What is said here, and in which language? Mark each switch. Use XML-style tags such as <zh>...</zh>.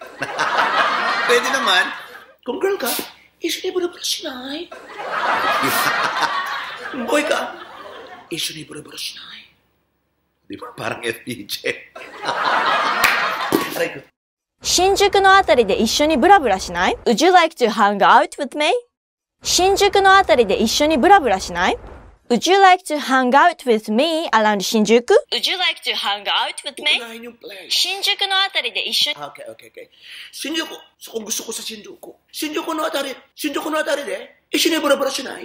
<tl>Pwede naman, kung girl ka,</tl> <ja>一緒にブラブラしない?</ja> <tl>Boy ka,</tl> <ja>一緒にブラブラしない?</ja> <tl>Di ba parang FBJ? Aray ko.</tl> <ja>新宿のあたりで一緒にブラブラしない?</ja> <en>Would you like to hang out with me?</en> <ja>新宿のあたりで一緒にブラブラしない?</ja> <en>Would you like to hang out with me around 新宿? Would you like to hang out with me?</en> <ja>新宿のあたりで一緒</ja> <tl>に</tl> <en>Okay, okay, okay.</en> <tl>新宿、</tl> <ja>そこ</ja> <tl>gusto ko sa 新宿。</tl> <ja>新宿のあたりで一緒にブラブラしない?</ja>